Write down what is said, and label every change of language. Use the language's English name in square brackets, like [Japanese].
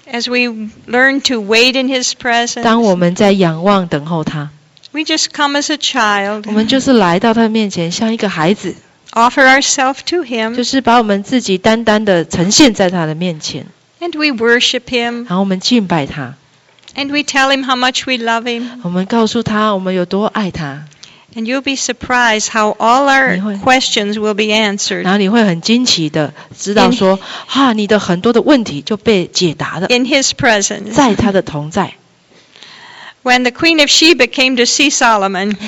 [English] As we learn to wait in His presence. [Chinese] 当我们在仰望等候他。 [English] We just come as a child. [Chinese] 我们就是来到他面前，像一个孩子。 [English] Offer ourselves to Him. [Chinese] 就是把我们自己单单的呈现在他的面前。 [English] And we worship Him. [Chinese] 然后我们敬拜他。 [English] And we tell Him how much we love Him. [Chinese] 我们告诉他我们有多爱他。 [English] And you'll be surprised how all our questions will be answered. [Chinese] 然后你会很惊奇的知道说，哈，你的很多的问题就被解答了。 [English] In His presence. [Chinese] 在他的同在。 [English] When the Queen of Sheba came to see Solomon.